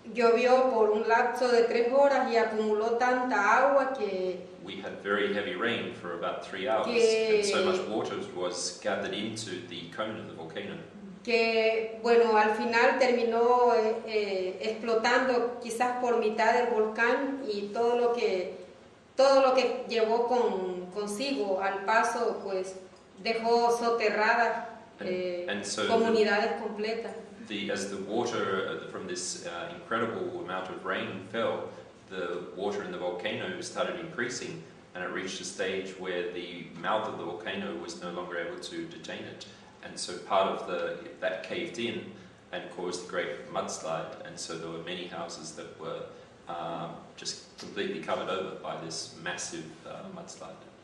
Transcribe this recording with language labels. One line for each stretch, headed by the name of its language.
Spanish: Llovió por un lapso de 3 horas y acumuló tanta agua que
English: we had very heavy rain for about 3 hours, and so much water was gathered into the cone of the volcano.
Spanish: Que, bueno, al final terminó explotando quizás por mitad del volcán y todo lo que llevó consigo al paso, pues, dejó soterradas
English: so
Spanish: comunidades completas.
English: As the water from this incredible amount of rain fell, the water in the volcano started increasing, and it reached a stage where the mouth of the volcano was no longer able to detain it, and so part of that caved in and caused a great mudslide, and so there were many houses that were just completely covered over by this massive mudslide.